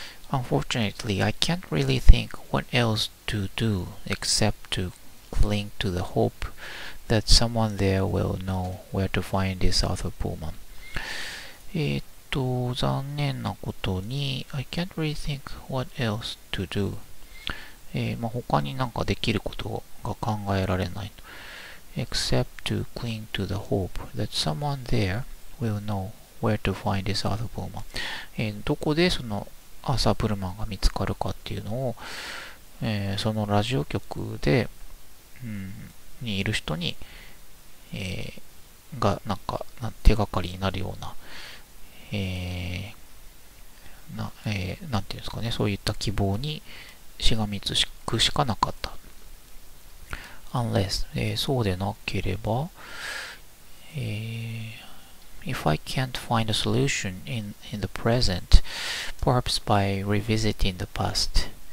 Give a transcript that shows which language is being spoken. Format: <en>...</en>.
<en>Unfortunately, I can't really think what else to do except to cling to the hope that someone there will know where to find this Arthur Pullman.</en> <ja>残念なことに、</ja> <en>I can't really think what else to do.</en> <ja>他になんかできることが考えられない。</ja> <en>Except to cling to the hope that someone there will know where to find this Arthur Pullman.</en> <ja>どこでそのアーサー・プルマンが見つかるかっていうのを、そのラジオ局で、にいる人に、が、手がかりになるような、なんていうんですかね、そういった希望にしがみつくしかなかった。</ja> <en>Unless、</en> <ja>そうでなければ、</ja> <en>If I can't find a solution in the present, perhaps by revisiting the past.</en>